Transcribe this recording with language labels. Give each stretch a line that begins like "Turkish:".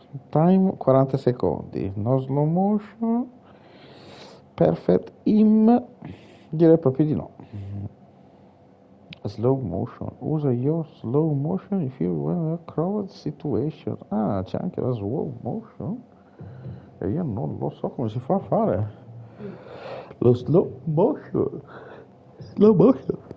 English: Time 40 secondi, no slow motion, perfect aim,
Italian: direi proprio di no.
English: Slow motion, use your slow motion if you are in a crowded situation.
Italian: Ah, c'è anche la slow motion e io non lo so come si fa a fare lo slow motion. Slow motion.